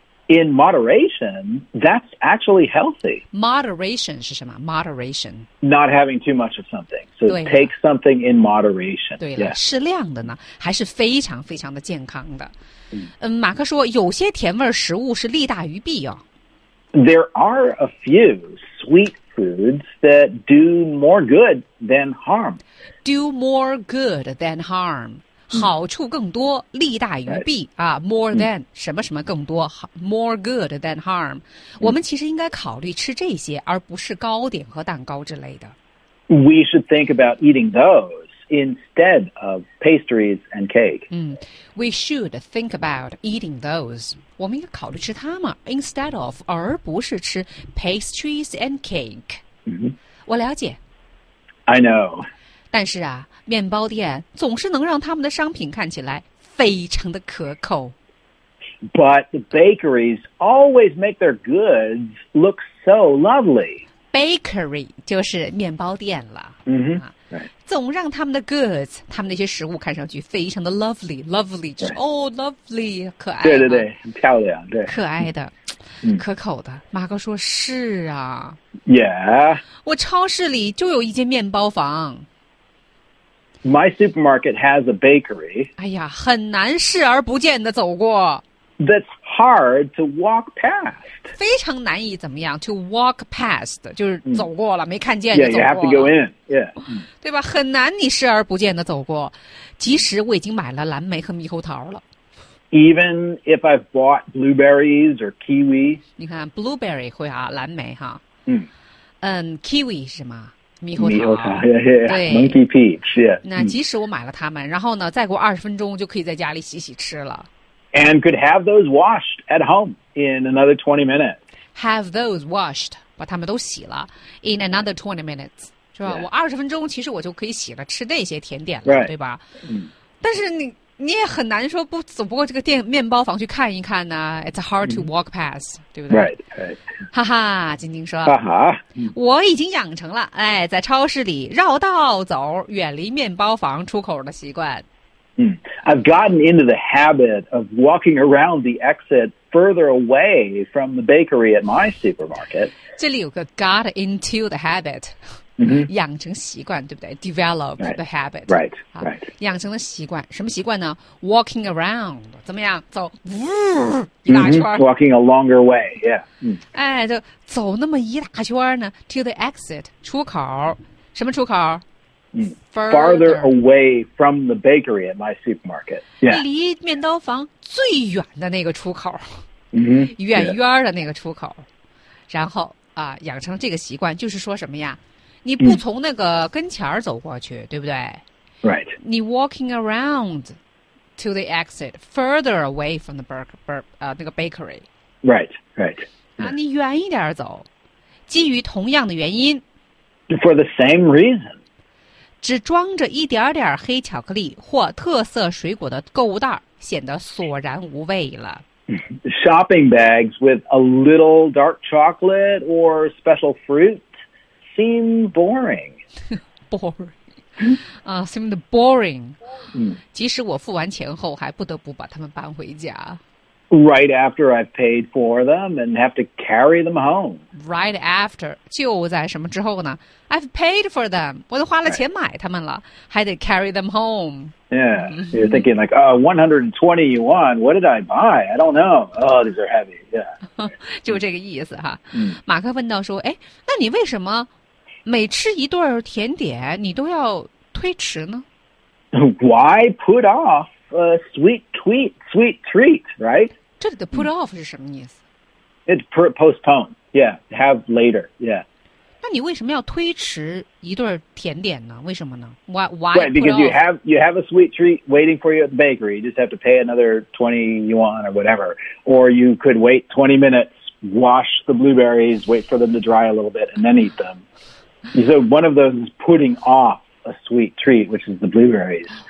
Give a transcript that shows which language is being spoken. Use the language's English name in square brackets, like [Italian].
[English] In moderation, that's actually healthy. [Chinese] Moderation 是什么 ？Moderation. [English] Not having too much of something. So take something in moderation. [Chinese] 对了、 [English] yeah. [Chinese] 适量的呢，还是非常非常的健康的。嗯，马克说，有些甜味食物是利大于弊哦。 [English] There are a few sweet foods that do more good than harm. Do more good than harm. [Chinese] 好处更多利大于弊、 [English] right. 啊 more than 什么什么更多 more good than harm、mm. [Chinese] 我们其实应该考虑吃这些而不是糕点和蛋糕之类的 [English] We should think about eating those instead of pastries and cake、 mm. We should think about eating those [Chinese] 我们应该考虑吃它嘛 [English] instead of [Chinese] 而不是吃 [English] pastries and cake、 mm-hmm. [Chinese] 我了解 [English] I know [Chinese] 但是啊面包店总是能让他们的商品看起来非常的可口。 [English] But the bakeries always make their goods look so lovely. [Chinese] Bakery 就是面包店了。 [English] Mm-hmm. Right. [Chinese] 总让他们的 goods, 他们那些食物看上去非常的 lovely, lovely, 就是 [English] oh, lovely, [Chinese] 可爱。对对对很漂亮对。可爱的。可口的马哥说是啊。 [English] Yeah. [Chinese] 我超市里就有一间面包房。 [English] My supermarket has a bakery. [Chinese] 哎呀，很难视而不见的走过。 [English] That's hard to walk past. [Chinese] 非常难以怎么样 [English] to walk past [Chinese] 就是走过了、mm. 没看见就走 [English] 过了。Yeah, you have to go in. Yeah. [Chinese] 对吧？很难你视而不见的走过，即使我已经买了蓝莓和猕猴桃了。 Even if I've bought blueberries or kiwi. 你看 blueberry 会啊，蓝莓哈。嗯、嗯 ，kiwi 是什么？猕猴桃， [English] 对 ，monkey peach， 是、yeah.。 [Chinese] 那即使我买了它们，然后呢，再过20分钟就可以在家里洗洗吃了。 [English] And could have those washed at home in another 20 minutes. Have those washed， [Chinese] 把它们都洗了 [English] in another 20 minutes， 是吧？ Yeah. [Chinese] 我20分钟其实我就可以洗了吃那些甜点了， [English] right. [Chinese] 对吧？但是你也很难说不走不过这个店面包房去看一看呢 ， [English] It's hard to walk past，、 [Chinese] mm. 对不对 [English] ？Right, right. [Chinese] 哈哈，晶晶说，哈哈，我已经养成了哎，在超市里绕道走，远离面包房出口的习惯。 [English] Mm. I've gotten into the habit of walking around the exit further away from the bakery at my supermarket. [Chinese] 这里有个 [English] got into the habit。 Mm-hmm. [Chinese] 养成习惯对不对 develop [English] right. the habit right. Right. [Chinese] 养成了习惯什么习惯呢 [English] walking around [Chinese] 怎么样走呜一大圈、 [English] mm-hmm. walking a longer way yeah、 [Chinese] mm. 哎就走那么一大圈呢 [English] to the exit [Chinese] 出口什么出口、 [English] mm. farther away from the bakery at my supermarket、yeah. [Chinese] 离面包房最远的那个出口、 [English] mm-hmm. [Chinese] 远远的那个出口、yeah. 然后啊、养成这个习惯就是说什么呀你不从那个跟前儿走过去、mm. 对不对 [English] right 你 walking around to the exit, further away from the bakery. Right, right. [Chinese] 那你远一点走，基于同样的原因。 [English] For the same reason. [Chinese] 只装着一点点黑巧克力或特色水果的购物袋显得索然无味了。 [English] Shopping bags with a little dark chocolate or special fruit seem boring. Boring. Seemed boring. [Chinese] 即使我付完钱后还不得不把他们搬回家。 [English] Right after I've paid for them and have to carry them home. Right after, [Chinese] 就在什么之后呢? [English] I've paid for them. [Chinese] 我都花了钱买他们了, [English] right. Had to carry them home. Yeah, you're thinking like, oh, 120 yuan, what did I buy? I don't know. Oh, these are heavy, yeah. [Chinese] 就这个意思哈。马克问到说,哎,那你为什么每吃一顿甜点你都要推迟呢? [English] Why put off? Sweet treat, right? [Chinese] 这里的 put off 是什么意思? [English] It's postpone, yeah, have later, yeah. [Chinese] 那你为什么要推迟一顿甜点呢? 为什么呢?Why [English] right, because you have a sweet treat waiting for you at the bakery, you just have to pay another 20 yuan or whatever. Or you could wait 20 minutes, wash the blueberries, wait for them to dry a little bit, and then eat them. So one of those is putting off a sweet treat, which is the blueberries.